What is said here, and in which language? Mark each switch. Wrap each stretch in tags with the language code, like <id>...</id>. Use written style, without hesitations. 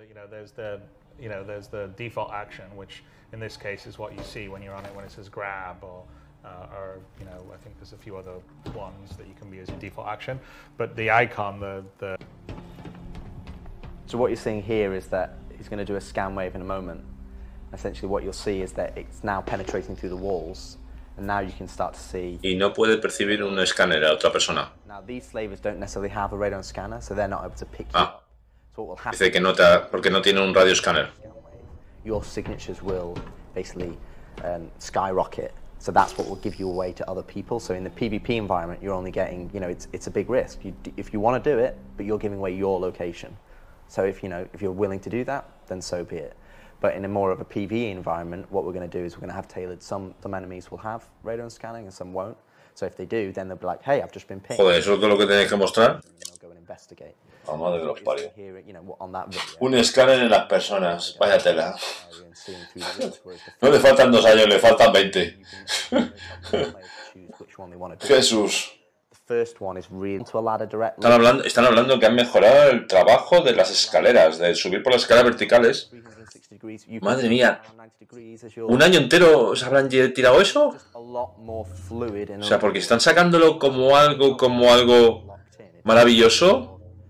<en>There's the default action, which in this case is what you see when you're on it, when it says grab, or you know, I think there's a few other ones that you can be using default action. But the icon, the. So what you're seeing here is that he's going to do a scan wave in a moment. Essentially, what you'll see is that it's now penetrating through the walls. And now you can start to see.</en> <es>Y no puede percibir un escáner a otra persona.</es> <en>Now these slavers don't necessarily have a radon scanner, so they're not able to pick you up. So what will happen?</en> <es>Dice que no te, porque no tiene un radio escáner.</es> <en>Your signatures will basically skyrocket. So that's what will give you away to other people. So in the PvP environment, you're only getting, you know, it's a big risk. If you want to do it, but you're giving away your location. So if you know, if you're willing to do that, then so be it. But in a more of a PvE environment, what we're going to do is we're going to have tailored. Some enemies will have radon scanning and some won't. So if they do, then they'll be like, hey, I've just been pinged.</en> <es>Joder, ¿eso es todo lo que tenéis que mostrar?</es> <en>I'll go and investigate. Oh,</en> <es>madre de los parios.</es> <en>Here, you know, on that video,</en> <es>un escáner en las personas. Vaya tela. No le faltan 2 años, le faltan 20. Jesús.</es> <en>First one is really to a ladder directly.</en> <es>Están hablando que han mejorado el trabajo de las escaleras, de subir por las escaleras verticales. Madre mía, un año entero se habrán tirado eso. O sea, porque están sacándolo como algo maravilloso.</es>